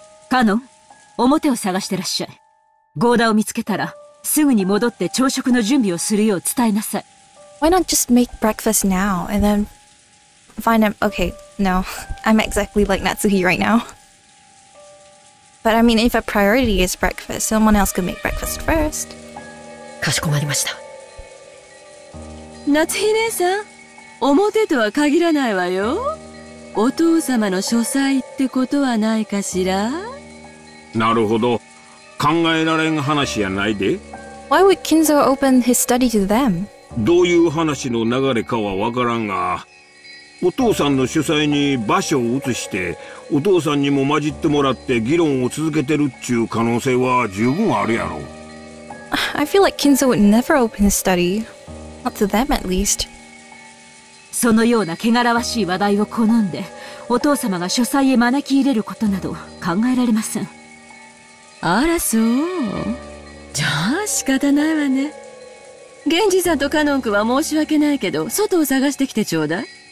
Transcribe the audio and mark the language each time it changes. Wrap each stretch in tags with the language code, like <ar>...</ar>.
<ja>カノン、表を探してらっしゃい。ゴーダを見つけたら、すぐに戻って朝食の準備をするよう伝えなさい。</ja> <en>Why not just make breakfast now and then find him? Okay, no. I'm exactly like Natsuhi right now. But I mean, if a priority is breakfast, someone else could make breakfast first.</en> <ja>かしこまりました。夏日姉さん、表とは限らないわよ。お父様の書斎ってことはないかしら。なるほど、考えられん話やないで。</ja> <en>Why would Kinzo open his study to them?</en> <ja>どういう話の流れかはわからんが、お父さんの書斎に場所を移してお父さんにも混じってもらって議論を続けてるっちゅう可能性は十分あるやろ。</ja> <en>I feel like Kinzo would never open his study. Not to them at least.</en> <ja>そのような汚らわしい話題を好んでお父様が書斎へ招き入れることなど考えられません。あらそう、じゃあ仕方ないわね。ゲンジさんとカノン君は申し訳ないけど外を探してきてちょうだい。</ja>